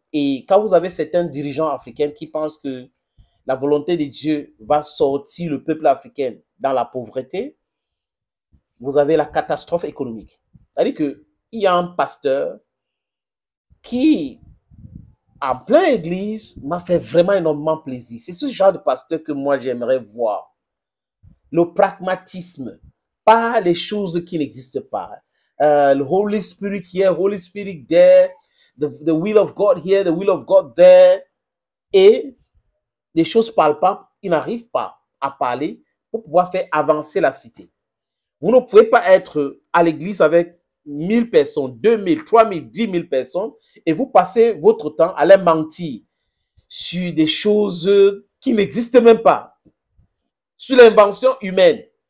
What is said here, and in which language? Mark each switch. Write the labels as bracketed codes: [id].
[fr] Et quand vous avez certains dirigeants africains qui pensent que la volonté de Dieu va sortir le peuple africain dans la pauvreté, vous avez la catastrophe économique. C'est-à-dire que il y a un pasteur qui, en pleine église, m'a fait vraiment énormément plaisir. C'est ce genre de pasteur que moi j'aimerais voir. Le pragmatisme, pas les choses qui n'existent pas. [en] Le Holy Spirit here, Holy Spirit there, the will of God here, the will of God there. [fr] Et les choses parlent pas, ils n'arrivent pas à parler pour pouvoir faire avancer la cité. Vous ne pouvez pas être à l'église avec 1000 personnes, 2000, 3000, 10 000 personnes, et vous passez votre temps à les mentir sur des choses qui n'existent même pas, sur l'invention humaine.